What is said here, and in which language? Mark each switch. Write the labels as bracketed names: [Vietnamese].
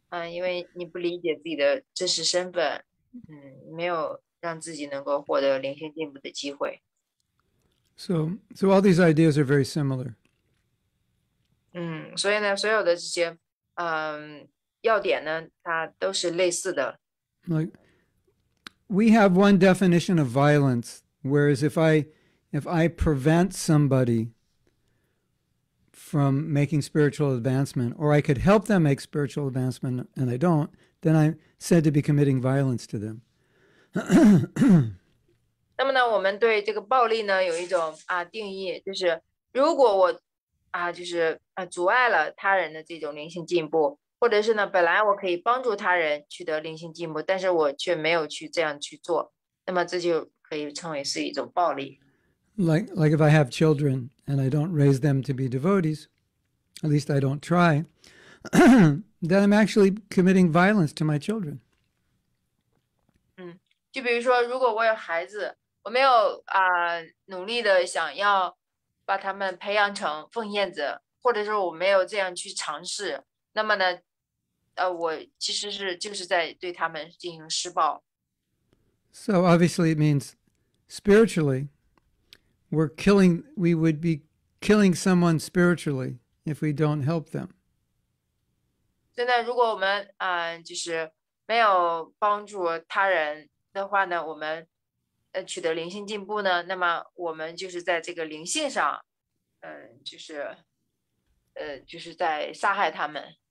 [Chinese] 因为你不理解自己的真实身份，没有让自己能够获得灵性进步的机会。 [English] So all these ideas are very similar. [Chinese] 所以呢，所有的这些要点呢，它都是类似的。 [English] Like, we have one definition of violence. Whereas if I prevent somebody from making spiritual advancement, or I could help them make spiritual advancement and I don't, then I'm said to be committing violence to them. [Chinese] 那么呢，我们对这个暴力呢有一种定义，就是如果我阻碍了他人的这种灵性进步，或者是呢本来我可以帮助他人取得灵性进步，但是我却没有去这样去做，那么这就 [English] Like if I have children and I don't raise them to be devotees, at least I don't try, then I'm actually committing violence to my children. [Chinese] 就比如说如果我有孩子，我没有努力的想要把他们培养成奉献者，或者说我没有这样去尝试，那么呢我其实是就是在对他们进行施暴。 [English] So obviously it means,Spiritually, we would be killing someone spiritually if we don't help them. [Chinese] 现在如果我们就是没有帮助他人的话呢，我们取得灵性进步呢，那么我们就是在这个灵性上，就是在杀害他们。